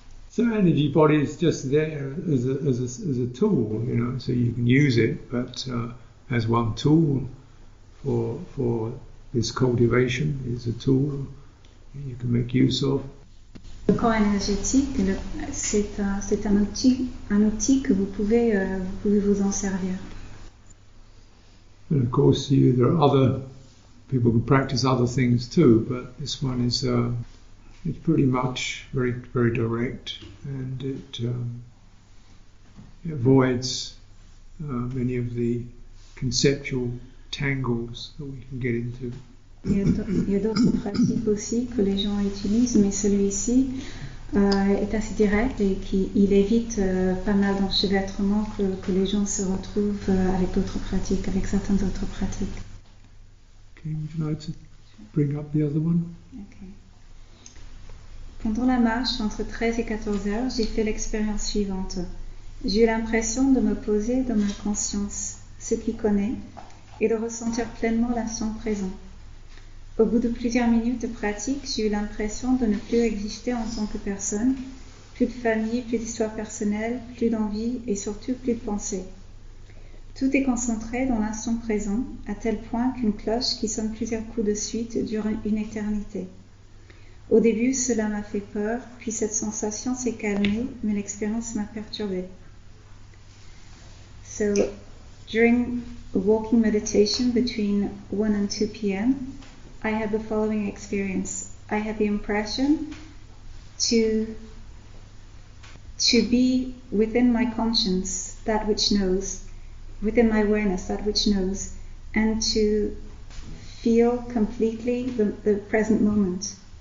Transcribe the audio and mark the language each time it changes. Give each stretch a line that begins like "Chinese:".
English: So energy body is just there as a tool, you know, so you can use it, but as one tool for this cultivation, is a tool you can make use of.
French: Le corps énergétique, c'est un outil que vous pouvez vous en servir.
English: And of course, there are other people who practice other things too, but this one is it's pretty much very very direct, and it avoids many of the conceptual tangles that we can get into.
French: Il y a d'autres pratiques aussi que les gens utilisent, mais celui-ci est assez direct et il évite pas mal d'enchevêtrements que les gens se retrouvent avec certaines autres pratiques.
English: Okay, would you like to bring up the other one? Okay.
French: Pendant la marche, entre 13 et 14 heures, j'ai fait l'expérience suivante. J'ai eu l'impression de me poser dans ma conscience, ce qui connaît, et de ressentir pleinement l'instant présent. Au bout de plusieurs minutes de pratique, j'ai eu l'impression de ne plus exister en tant que personne, plus de famille, plus d'histoire personnelle, plus d'envie et surtout plus de pensée. Tout est concentré dans l'instant présent, à tel point qu'une cloche qui sonne plusieurs coups de suite dure une éternité. Au début, cela m'a fait peur, puis cette sensation s'est calmée, mais l'expérience m'a perturbée.
English: So, during walking meditation between 1 and 2 p.m., I had the following experience. I had the impression to be within my conscience, that which knows, within my awareness, that which knows, and to feel completely the present moment.